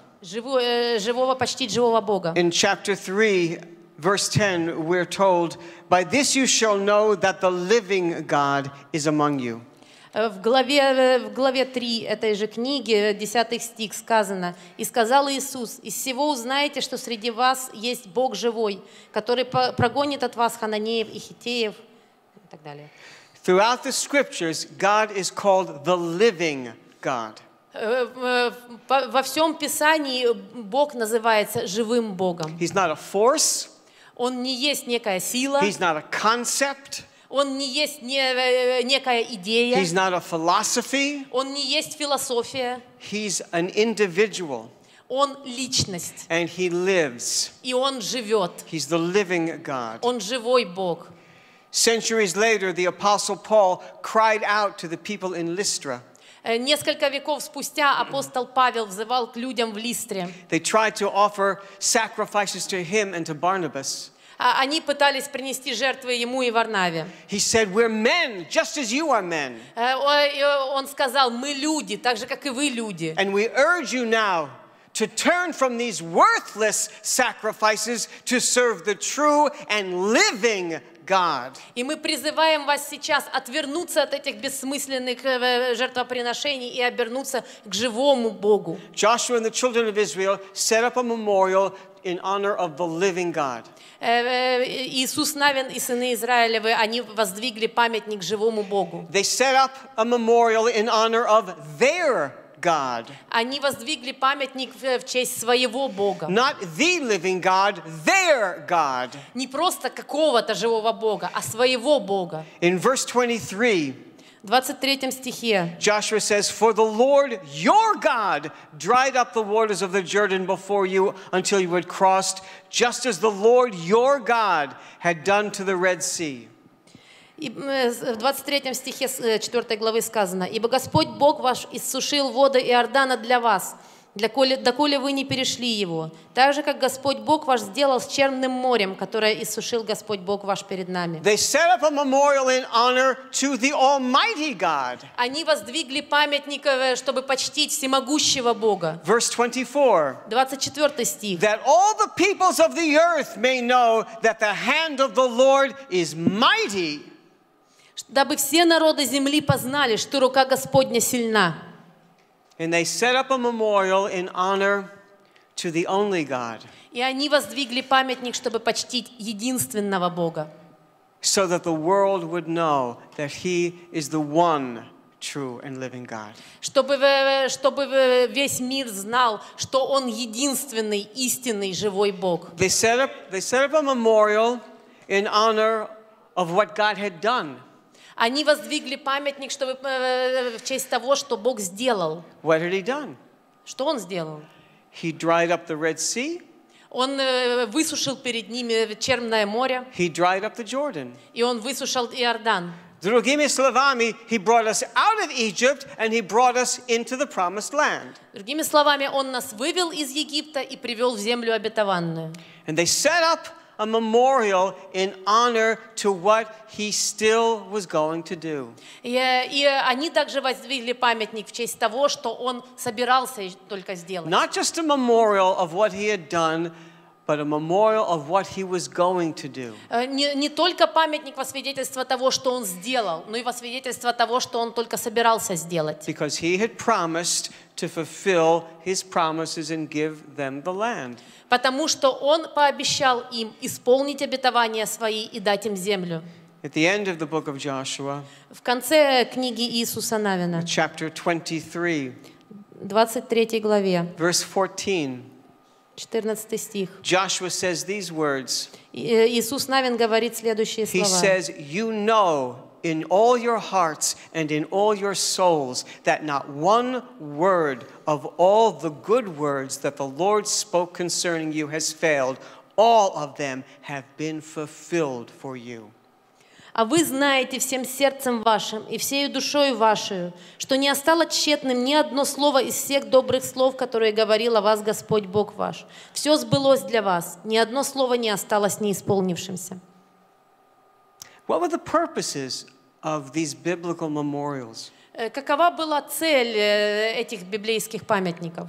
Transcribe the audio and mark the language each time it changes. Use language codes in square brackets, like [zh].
[ru] Живого почтить живого Бога. [en] In chapter 3, verse 10, we're told, "By this you shall know that the living God is among you." [ru] В главе 3 этой же книги, 10 стих, сказано: «И сказал Иисус: из сего узнаете, что среди вас есть Бог живой, который прогонит от вас хананеев и хитеев». И так далее. [en] Throughout the scriptures, God is called the living God. [ru] Во всем Писании Бог называется живым Богом. [en] He's not a force. [ru] Он не есть некая сила. [en] He's not a concept. [ru] Он не есть некая идея. [en] He's not a philosophy. [ru] Он не есть философия. [en] He's an individual. [ru] Он личность. [en] And he lives. [ru] И он живет. [en] He's the living God. [ru] Он живой Бог. [en] Centuries later, the apostle Paul cried out to the people in Lystra. [ru] Несколько веков спустя апостол Павел взывал к людям в Листре. [en] They tried to offer sacrifices to him and to Barnabas. [ru] Они пытались принести жертвы ему и Варнаве. [en] He said, "We're men, just as you are men." [ru] Он сказал, мы люди, так же как и вы люди. [en] And we urge you now to turn from these worthless sacrifices to serve the true and living God. [ru] И мы призываем вас сейчас отвернуться от этих бессмысленных жертвоприношений и обернуться к живому Богу. [en] Joshua and the children of Israel set up a memorial in honor of the living God. [ru] Иисус Навин и сыны Израилевы, они воздвигли памятник живому Богу. [en] They set up a memorial in honor of their God. [ru] Они воздвигли памятник в честь своего Бога. [en] Not the living God, their God. [ru] Не просто какого-то живого Бога, а своего Бога. [en] In verse 23, [ru] в 23 стихе, [en] Joshua says, "For the Lord your God dried up the waters of the Jordan before you until you had crossed, just as the Lord your God had done to the Red Sea." [ru] И в 23 стихе 4 главы сказано: «Ибо Господь Бог ваш иссушил воды Иордана для вас, доколе вы не перешли его, так же, как Господь Бог ваш сделал с Черным морем, которое иссушил Господь Бог ваш перед нами». [en] They set up a memorial in honor to the Almighty God. [ru] Они воздвигли памятник, чтобы почтить всемогущего Бога. [en] Verse 24. [ru] 24 стих. [en] That all the peoples of the earth may know that the hand of the Lord is mighty. [ru] Дабы все народы земли познали, что рука Господня сильна. [en] And they set up a memorial in honor to the only God. [ru] И они воздвигли памятник, чтобы почтить единственного Бога. [en] So that the world would know that He is the one true and living God. [ru] Чтобы весь мир знал, что Он единственный истинный живой Бог. [en] They set up a memorial in honor of what God had done. [ru] Они воздвигли памятник, чтобы в честь того, что Бог сделал. [en] What had he done? [ru] Что он сделал? [en] He dried up the Red Sea. [ru] Он высушил перед ними Черное море. [en] He dried up the Jordan. [ru] И он высушил Иордан. Другими словами, [en] he brought us out of Egypt and he brought us into the promised land. [ru] Другими словами, он нас вывел из Египта и привел в землю обетованную. [en] And they set up a memorial in honor to what he still was going to do. [ru] И они также воздвигли памятник в честь того, что он собирался только сделать. [en] Not just a memorial of what he had done, but a memorial of what he was going to do. [ru] Не только памятник во свидетельство того, что он сделал, но и во свидетельство того, что он только собирался сделать. [en] Because he had promised to fulfill his promises and give them the land. [ru] Потому что он пообещал им исполнить обетования свои и дать им землю. [en] At the end of the book of Joshua, [ru] в конце книги Иисуса Навина, [en] chapter 23, [ru] 23 главе, [en] verse 14, [ru] 14 стих, [en] Joshua says these words. [ru] Иисус Навин говорит следующие слова. [en] He says, "You know in all your hearts and in all your souls that not one word of all the good words that the Lord spoke concerning you has failed. All of them have been fulfilled for you." [ru] А вы знаете всем сердцем вашим и всею душою вашей, что не осталось тщетным ни одно слово из всех добрых слов, которые говорил о вас Господь Бог ваш. Все сбылось для вас, ни одно слово не осталось неисполнившимся. [en] What were the purposes of these biblical memorials? [ru] Какова была цель этих библейских памятников?